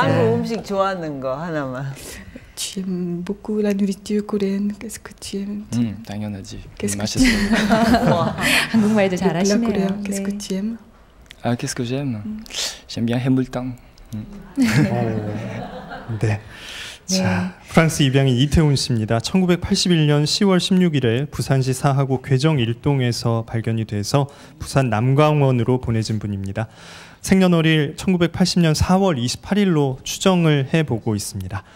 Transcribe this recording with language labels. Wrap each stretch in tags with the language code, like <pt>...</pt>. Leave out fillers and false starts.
<ko>한국 음식 좋아하는 거 하나만.</ko> <fr>Tu aimes beaucoup la nourriture coréenne. Qu'est-ce que tu aimes? Dangyeonaji. Qu'est-ce que tu aimes?</fr> <ko>한국말도 잘하시네요. Coréen.</ko> <fr>Qu'est-ce que tu aimes? Ah, qu'est-ce que j'aime? J'aime bien 해물탕.</fr> <ko>네. 자, 프랑스 입양인 이태훈 씨입니다. 1981년 10월 16일에 부산시 사하구 궤정 1동에서 발견이 돼서 부산 남강원으로 보내진 분입니다. 생년월일 1980년 4월 28일로 추정을 해보고 있습니다.</ko>